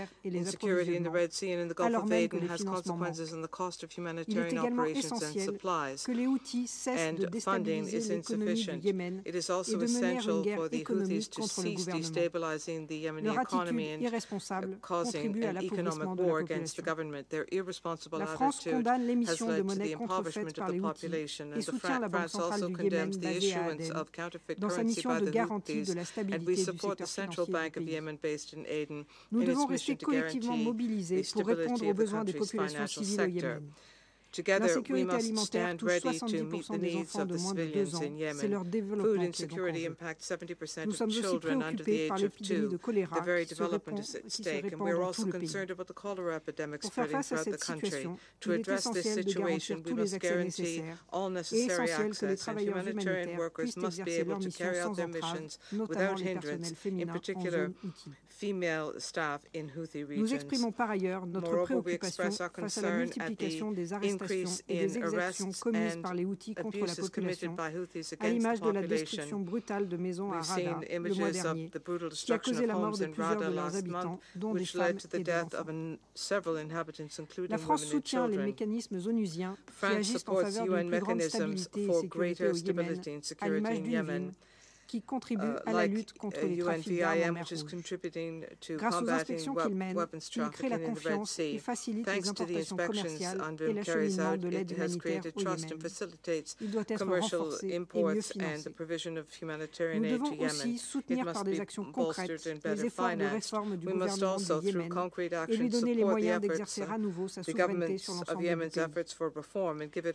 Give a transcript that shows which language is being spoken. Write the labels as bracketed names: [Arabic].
[English] Insecurity in the Red Sea and in the Gulf of Aden has consequences on the cost of humanitarian operations and supplies, and funding is insufficient. It is also essential for the Houthis to cease destabilizing the Yemeni economy and causing an economic war against the government. Their irresponsible attitude [French] condamne l'émission de monnaie contrefaite par les Houthis et soutient la Banque centrale du Yémen basée à Aden dans sa mission de garantie de la stabilité du secteur financier du pays. Nous devons rester collectivement mobilisés pour répondre aux besoins des populations civiles au Yémen. [English] Together, we must stand ready to meet the needs of the civilians in Yemen. Food insecurity impacts 70% of children under the age of two. The very development is at stake, and we are also concerned about the cholera epidemic spreading throughout the country. To address this situation, we must guarantee all necessary access, and humanitarian workers must be able to carry out their missions without hindrance, in particular female staff in Houthi regions. Moreover, we express our concern at the increase in arrests and abuses committed by Houthis against the population. We've seen images of the brutal destruction of homes in Rada last month, which led to the death of several inhabitants, including women and children. France supports UN mechanisms for greater stability and security in Yemen. [French] qui contribue à la lutte contre les trafics d'armes en mer Rouge. Grâce aux inspections qu'il mène, il crée la confiance et facilite les importations commerciales et l'acheminement de l'aide humanitaire au Yémen. Il doit être renforcé et mieux financé. Nous devons aussi soutenir par des actions concrètes les efforts de réforme du gouvernement du Yémen et lui donner les moyens d'exercer à nouveau sa souveraineté sur l'ensemble du pays.